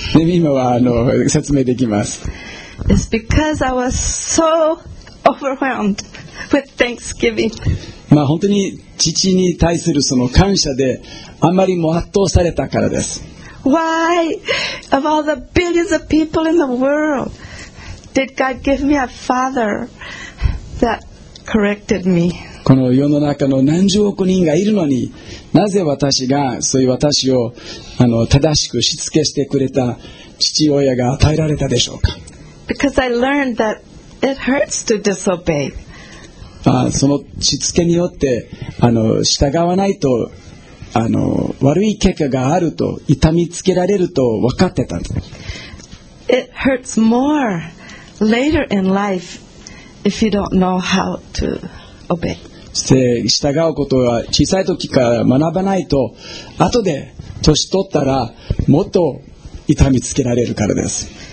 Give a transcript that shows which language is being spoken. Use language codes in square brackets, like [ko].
[ja] 今はあの説明できます。 [en] It's because I was so overwhelmed with thanksgiving. [ja] まあ本当に父に対するその感謝であまりも圧倒されたからです。 [en] Why, of all the billions of people in the world, did God give me a father that corrected me? [ja] この世の中の何十億人がいるのに、なぜ私がそういう私をあの正しくしつけしてくれた父親が与えられたでしょうか? [en] Because I learned that it hurts to disobey. [ja] あ、そのしつけによってあの従わないと。あの悪い結果があると痛みつけられると分かってたんです。 [en] It hurts more later in life if you don't know how to obey. [ja] して従うことは小さい時から学ばないと後で年取ったらもっと痛みつけられるからです。